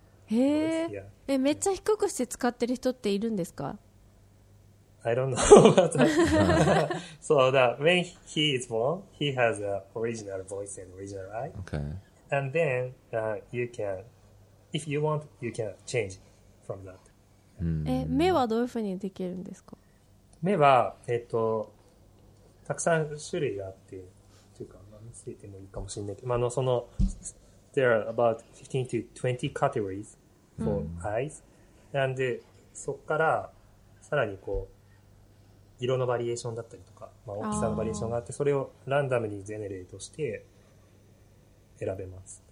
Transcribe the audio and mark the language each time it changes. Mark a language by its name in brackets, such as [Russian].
[Japanese] へー。めっちゃ低くして使ってる人っているんですか？ [English] I don't know. So that when he is born, he has an original voice and original eye. Okay. And then you can, if you want, you can change from that. Mm. [Japanese] 目はどういうふうにできるんですか？目はたくさん種類があってというか、見せてもいいかもしれないけど、その [English] there are about 15 to 20 categories for eyes. [Japanese] And でそこからさらにこう色のバリエーションだったりとか、大きさのバリエーションがあって、それをランダムにジェネレートして。選べます。